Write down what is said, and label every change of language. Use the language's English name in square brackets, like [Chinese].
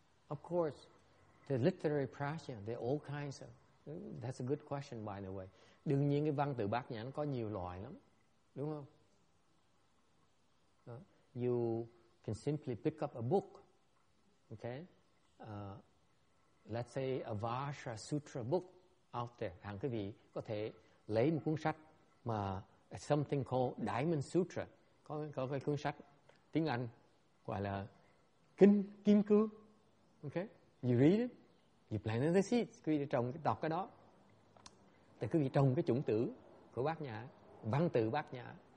[English] Of course, the literary prajna, there are all kinds of. That's a good question, by the way. [Vietnamese] Đương nhiên cái văn từ bát nhã nó có nhiều loại lắm, đúng không? [English] You can simply pick up a book, okay? Let's say a Vajra Sutra book out there. [Vietnamese] Hàng quý vị có thể lấy một cuốn sách mà [English] something called Diamond Sutra. [Vietnamese] Có cái cuốn sách tiếng Anh gọi là kinh kim cương. [English] Okay, you read it, you plant the seeds. [Vietnamese] Quý vị trồng, đọc cái đó thì quý vị trồng cái chủng tử của bát nhã, văn tự bát nhã.